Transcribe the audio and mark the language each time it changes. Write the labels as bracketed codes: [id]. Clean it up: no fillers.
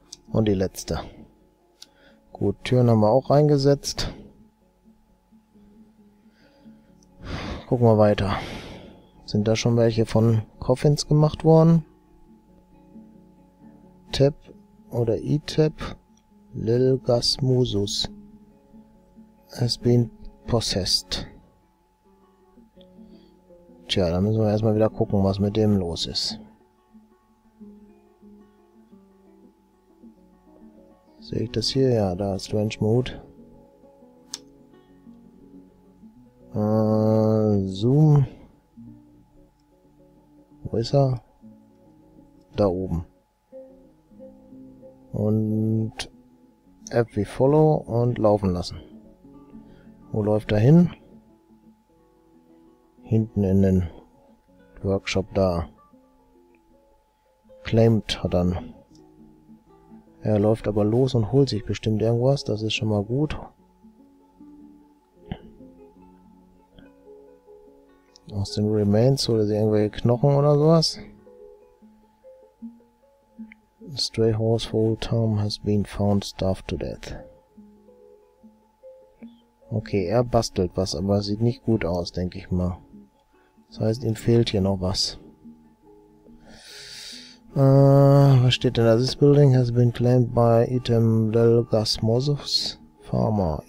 [de] Und die letzte. Gut, Türen haben wir auch reingesetzt. Gucken wir weiter. Sind da schon welche von Coffins gemacht worden? Tap oder E-Tap? [en] Lil Gasmusus has been possessed. [de] Tja, da müssen wir erstmal wieder gucken, was mit dem los ist. Sehe ich das hier? Ja, da ist Strange Mode. Zoom. Wo ist er? Da oben. Und App wie Follow und laufen lassen. Wo läuft er hin? Hinten in den Workshop da. Claimed hat er. Er läuft aber los und holt sich bestimmt irgendwas. Das ist schon mal gut. Aus den Remains holt er sich irgendwelche Knochen oder sowas. [en] A stray horse for Tom has been found starved to death. [de] Okay, er bastelt was, aber sieht nicht gut aus, denke ich mal. Das heißt, ihm fehlt hier noch was. Was steht denn da? [en] This building has been claimed by Item Lel Gasmosus Farmer.